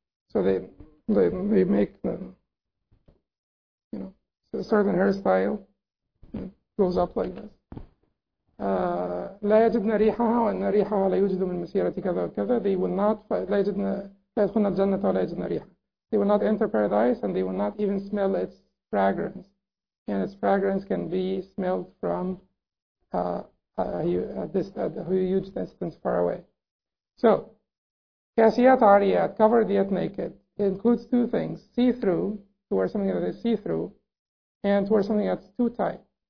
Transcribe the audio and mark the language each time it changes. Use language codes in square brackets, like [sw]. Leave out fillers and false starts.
[en] So they make them, you know, a certain hairstyle goes up like this. لا يجدنا ريحها وإن ريحها لا يوجد من مسيرتي كذا وكذا. They will not [ar] لا يدخلن الجنة ولا يجدن ريحها. [en] They will not enter paradise and they will not even smell its fragrance. And its fragrance can be smelled from huge distance far away. So, kasiyat ariyat, covered yet naked, includes two things: see-through, to wear something that is see-through, and to wear something that's too tight.